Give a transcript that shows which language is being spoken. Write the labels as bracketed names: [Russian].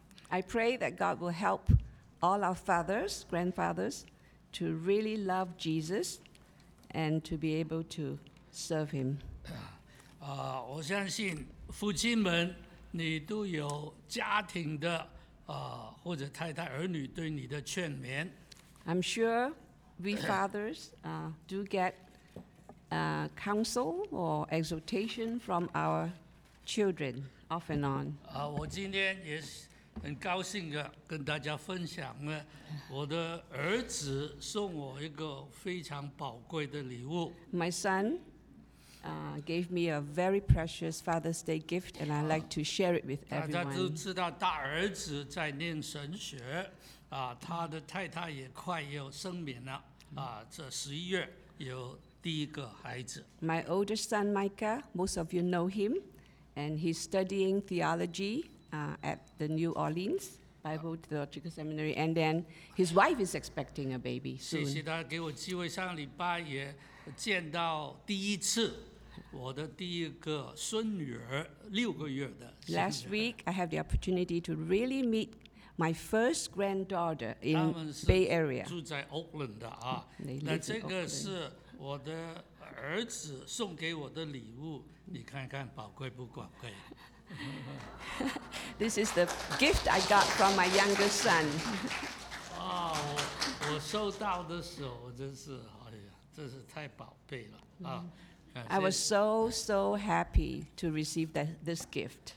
[English] I pray that God will help all our fathers, grandfathers, to really love Jesus and to be able to serve Him. [Chinese] 我相信父亲们，你都有家庭的或者太太儿女对你的劝勉。 [English] I'm sure we fathers do get counsel or exhortation from our children off and on. [Chinese] 我今天也是很高兴的跟大家分享呢，我的儿子送我一个非常宝贵的礼物。 [English] My son gave me a very precious Father's Day gift, and I'd like to share it with everyone. [Chinese] 大家都知道大儿子在念神学，他的太太也快要生敏了，这十一月有第一个孩子。 [English] My oldest son, Micah, most of you know him, and he's studying theology at the New Orleans Bible Theological Seminary, and then his wife is expecting a baby soon. [Chinese] 谢谢大家给我机会，上礼拜也见到第一次我的第一个孙女儿，六个月的。 [English] Last week, I had the opportunity to really meet my first granddaughter in Bay Area. [Chinese] 住在 Oakland 的啊。那这个是我的儿子送给我的礼物，你看看宝贵不宝贵 [English] ？This is the gift I got from my younger son. [Chinese] 啊，我收到的时候，真是哎呀，真是太宝贝了啊！ [English] I was so, so happy to receive this gift.